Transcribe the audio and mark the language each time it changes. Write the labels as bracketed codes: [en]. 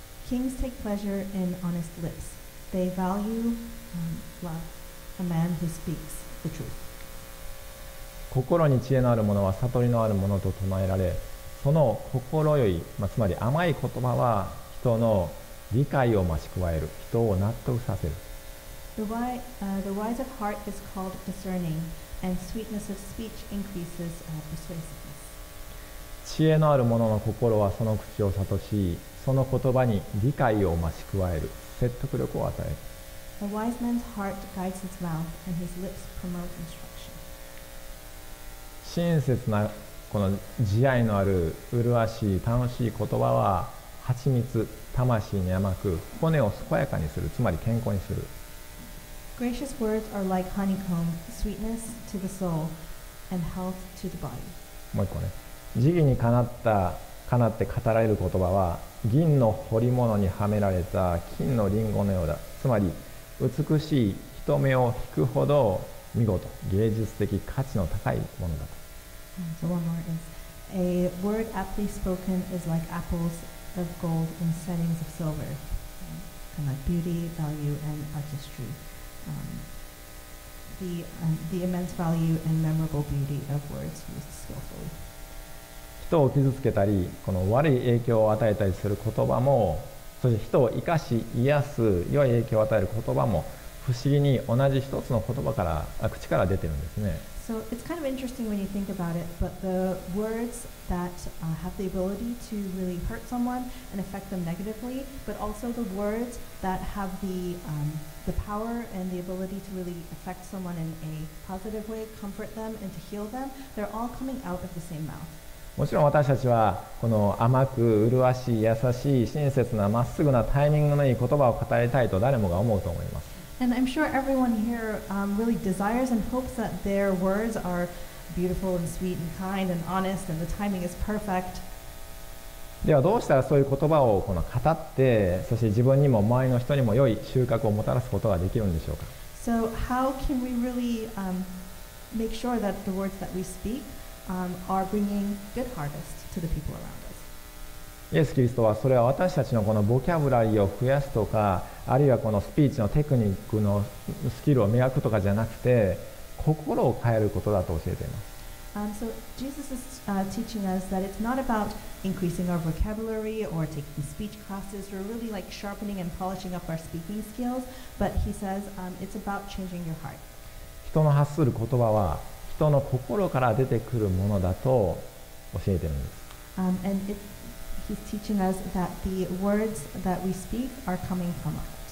[en] Kings take pleasure in honest lips. They value love. A man who speaks the truth. [ja] 心に知恵のあるものは悟りのあるものと唱えられ、その心よい、まあ、つまり甘い言葉は人の理解を増し加える、人を納得させる。 [en] The wise of heart is called discerning, and sweetness of speech increases persuasiveness. [ja] 知恵のある者の心はその口を悟し、その言葉に理解を増し加える、説得力を与える。 [en] A wise man's heart guides his mouth, and his lips promote instruction. [ja] 親切なこの慈愛のある麗しい楽しい言葉は蜂蜜、魂に甘く骨を健やかにする、つまり健康にする。 [en] Gracious words are like honeycomb, sweetness to the soul and health to the body. [ja] もう一個ね。慈悲にかなって語られる言葉は銀の彫り物にはめられた金のリンゴのようだ。つまり美しい、人目を引くほど見事、芸術的価値の高いものだと。 [en] So one more is, a word aptly spoken is like apples of gold in settings of silver, kind of beauty, value, and artistry. The immense value and memorable beauty of words used skillfully. [ja] 人を傷つけたり、この悪い影響を与えたりする言葉も、そして人を生かし、癒す、良い影響を与える言葉も、不思議に同じ一つの言葉から、口から出てるんですね。 [en] So it's kind of interesting when you think about it, but the words that have the ability to really hurt someone and affect them negatively, but also the words that have the power and the ability to really affect someone in a positive way, comfort them and to heal them, they're all coming out of the same mouth. [ja] もちろん私たちはこの甘く麗しい優しい親切なまっすぐなタイミングのいい言葉を語りたいと誰もが思うと思います。 [en] And I'm sure everyone here really desires and hopes that their words are beautiful and sweet and kind and honest and the timing is perfect. [ja] ではどうしたらそういう言葉をこの語って、そして自分にも周りの人にも良い収穫をもたらすことができるんでしょうか。 [en] So how can we really make sure that the words that we speak are bringing good harvest to the people around us? [ja] イエス・キリストはそれは私たちのこのボキャブラリーを増やすとか、あるいはこのスピーチのテクニックのスキルを磨くとかじゃなくて、心を変えることだと教えています。 [en] So Jesus is teaching us that it's not about increasing our vocabulary or taking speech classes or really like sharpening and polishing up our speaking skills, but he says it's about changing your heart. [ja] 人の発する言葉は人の心から出てくるものだと教えています。 [en] And it, he's teaching us that the words that we speak are coming from our hearts.